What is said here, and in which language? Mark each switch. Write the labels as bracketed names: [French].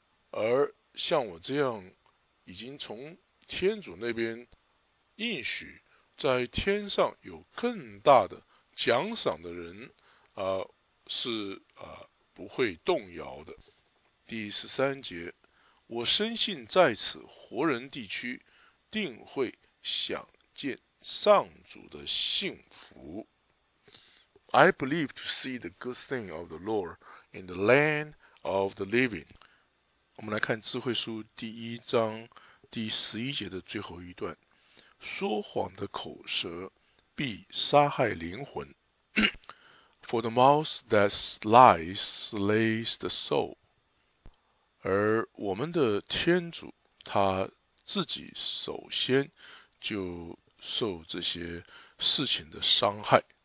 [Chinese] 而像我这样，已经从天主那边应许，在天上有更大的奖赏的人，是不会动摇的。第十三节，我深信在此活人地区定会享见上主的幸福。 [English] I believe to see the good thing of the Lord in the land of the living. [Chinese] 我们来看智慧书第一章第十一节的最后一段，说谎的口舌必杀害灵魂。 [English] For the mouth that lies slays the soul. [Chinese] 而我们的天主他自己首先就受这些事情的伤害。